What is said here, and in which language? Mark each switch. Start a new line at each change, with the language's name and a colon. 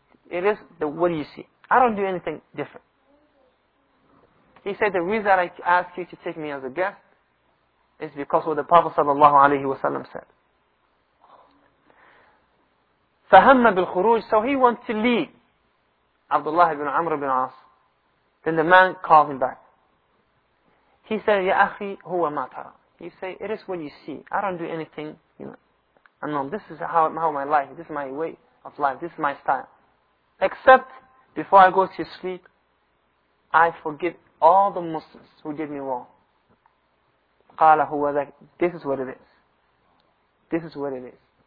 English: It is the, what do you see? I don't do anything different. He said, the reason I ask you to take me as a guest is because of what the Prophet sallallahu alayhi wa sallam said.
Arabic: فَهَمَّ بِالْخُرُوجِ.
English: So he wants to leave. Abdullah ibn Amr ibn As. Then the man called him back. He said,
Arabic: يَا أَخِي هُوَ مَا تَرَى.
English: He said, it is what you see. I don't do anything. You know, I know this is how my life, this is my way of life, this is my style. Except before I go to sleep, I forgive all the Muslims who did me wrong.
Arabic: قَالَ هُوَ ذَكِ.
English: This is what it is. This is what it is.